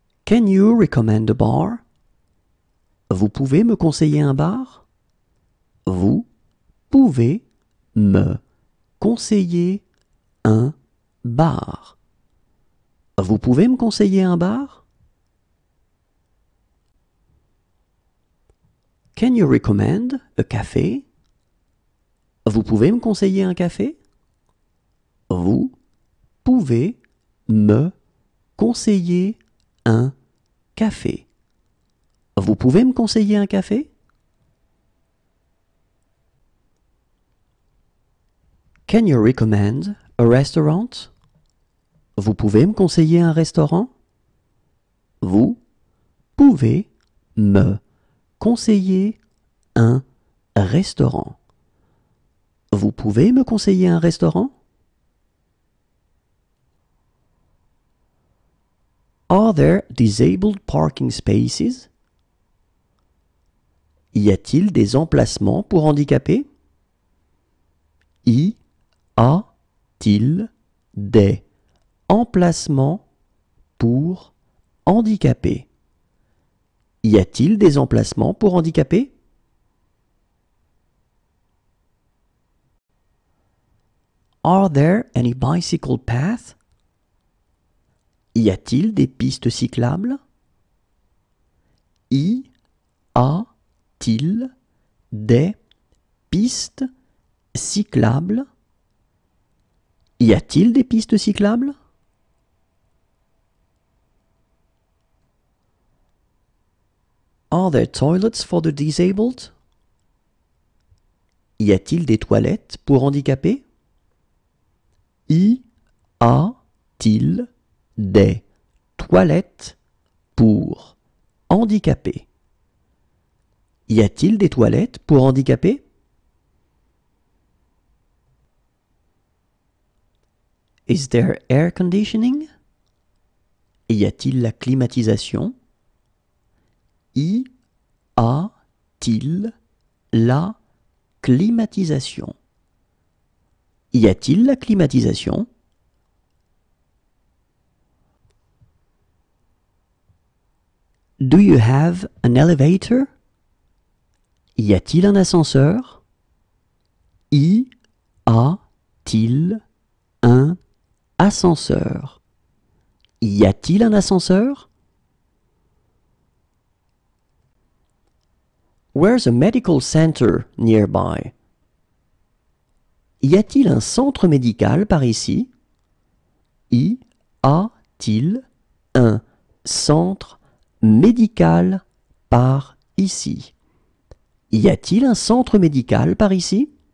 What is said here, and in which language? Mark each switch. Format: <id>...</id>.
<en>Can you recommend a bar?</en> <fr>Vous pouvez me conseiller un bar? Vous pouvez me conseiller un bar? Vous pouvez me conseiller un bar?</fr> <en>Can you recommend a café?</en> <fr>Vous pouvez me conseiller un café? Vous pouvez me conseiller un café? Vous pouvez me conseiller un café?</fr> <en>Can you recommend a restaurant?</en> <fr>Vous pouvez me conseiller un restaurant? Vous pouvez me conseiller un restaurant? Vous pouvez me conseiller un restaurant?</fr> <en>Are there disabled parking spaces?</en> <fr>Y a-t-il des emplacements pour handicapés? Y a-t-il des emplacements pour handicapés? Y a-t-il des emplacements pour handicapés?</fr> <en>Are there any bicycle paths?</en> <fr>Y a-t-il des pistes cyclables? Y a-t-il des pistes cyclables? Y a-t-il des pistes cyclables?</fr> <en>Are there toilets for the disabled?</en> <fr>Y a-t-il des toilettes pour handicapés? Y a-t-il des toilettes pour handicapés? Y a-t-il des toilettes pour handicapés?</fr> <en>Is there air conditioning?</en> <fr>Y a-t-il la climatisation? Y a-t-il la climatisation? Y a-t-il la climatisation?</fr> <en>Do you have an elevator?</en> <fr>Y a-t-il un ascenseur? Y a-t-il un ascenseur? Y a-t-il un ascenseur?</fr> <en>Where's a medical center nearby?</en> <fr>Y a-t-il un centre médical par ici? Y a-t-il un centre médical par ici? Y a-t-il un centre médical par ici?</fr>